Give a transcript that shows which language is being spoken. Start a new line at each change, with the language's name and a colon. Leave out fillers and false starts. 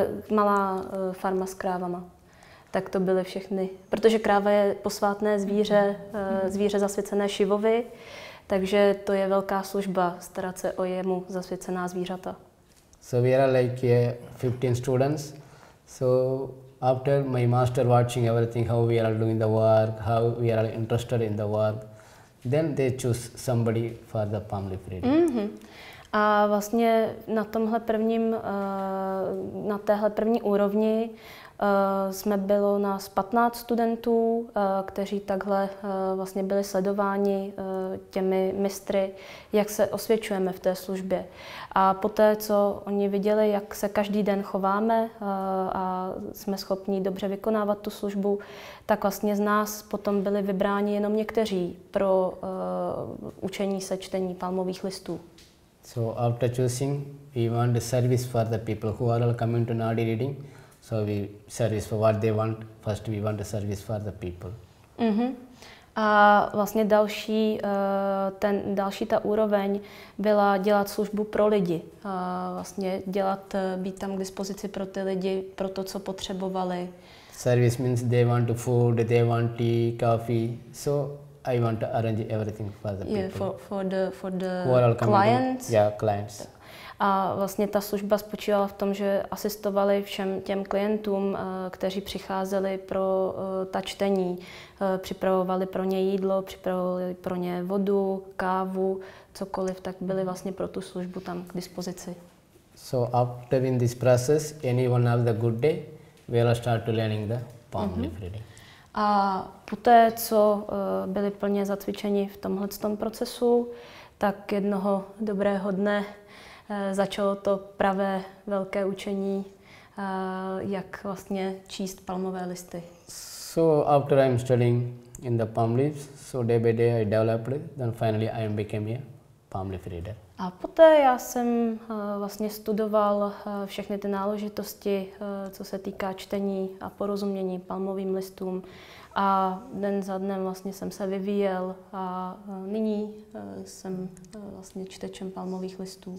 Czech: Malá farma s krávama. Tak to byly všechny. Protože kráva je posvátné zvíře, zvíře zasvěcené Šivovi, takže to je velká služba starat se o jemu zasvěcená zvířata.
English: So we are like 15 students. So after my master watching everything, how we are doing the work, how we are interested in the work, then they choose somebody for the palm leaf reading. Mm-hmm.
Czech: A vlastně na tomhle prvním, na téhle první úrovni jsme bylo nás 15 studentů, kteří takhle vlastně byli sledováni těmi mistry, jak se osvědčujeme v té službě. A poté, co oni viděli, jak se každý den chováme a jsme schopni dobře vykonávat tu službu, tak vlastně z nás potom byli vybráni jenom někteří pro učení se čtení palmových listů.
English: So after choosing, we want the service for the people who are all coming to Nadi reading. So we service for what they want. First we want the service for the people. Mm-hmm.
Czech: A vlastně další, ten, další ta úroveň byla dělat službu pro lidi. Vlastně dělat, být tam k dispozici pro ty lidi, pro to, co potřebovali.
English: Service means they want the food, they want tea, coffee. So I want to arrange everything for the people. Yeah, for the clients. Yeah, clients.
Czech: A vlastně ta služba spočívala v tom, že asistovali všem těm klientům, kteří přicházeli pro ta čtení. Připravovali pro ně jídlo, připravovali pro ně vodu, kávu, cokoliv, tak byli vlastně pro tu službu tam k dispozici.
English: So after in this process, anyone have the good day, we will start to learning the palm leaf reading.
Czech: A poté, co byli plně zacvičeni v tomhle procesu, tak jednoho dobrého dne začalo to pravé velké učení, jak vlastně číst palmové listy.
English: So after I'm studying in the palm leaves, so day by day I developed, then finally I became a palm leaf reader.
Czech: A poté já jsem vlastně studoval všechny ty náležitosti, co se týká čtení a porozumění palmovým listům. A den za dnem vlastně jsem se vyvíjel a nyní jsem vlastně čtečem palmových listů.